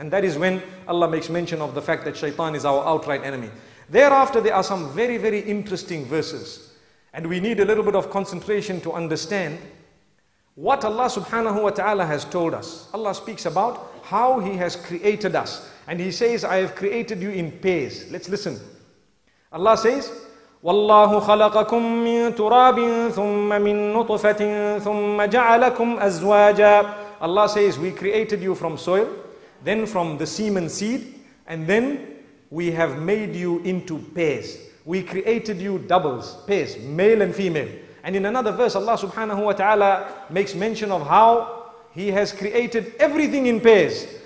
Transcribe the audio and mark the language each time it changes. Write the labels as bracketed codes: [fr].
[en] And that is when Allah makes mention of the fact that shaitan is our outright enemy. Thereafter, there are some very, very interesting verses. And we need a little bit of concentration to understand what Allah subhanahu wa ta'ala has told us. Allah speaks about how He has created us. And He says, I have created you in pairs. Let's listen. Allah says, [ar] وَاللَّهُ خَلَقَكُم مِّن تُرَابٍ ثُمَّ مِن نُطْفَةٍ ثُمَّ جَعَلَكُمْ أَزْوَاجًا. [en] Allah says, we created you from soil, then from the semen seed, and then we have made you into pairs. We created you doubles, pairs, male and female. And in another verse, Allah subhanahu wa ta'ala makes mention of how He has created everything in pairs.